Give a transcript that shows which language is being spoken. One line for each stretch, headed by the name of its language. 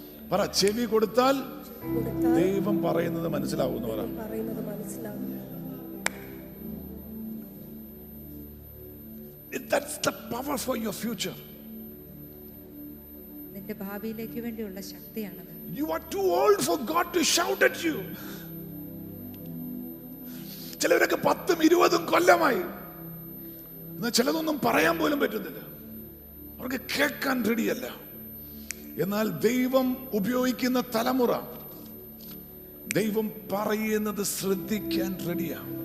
Malayalam: പറ ചെവി കൊടുത്താൽ ദൈവം പറയുന്നത് മനസ്സിലാവും എന്ന് പറ.
English: That's the power for your future.
Malayalam: നിന്റെ ഭാവിയിലേക്ക് വേണ്ടിയുള്ള ശക്തിയാണത്.
English: You are too old for God to shout at you.
Malayalam: ചിലവരൊക്കെ 10-20 കൊല്ലമായി എന്നാൽ ചിലതൊന്നും പറയാൻ പോലും പറ്റുന്നില്ല. അവർക്ക് കേൾക്കാൻ റെഡിയല്ല. എന്നാൽ ദൈവം ഉപയോഗിക്കുന്ന തലമുറ ദൈവം പറയുന്നത് ശ്രദ്ധിക്കാൻ റെഡിയാ.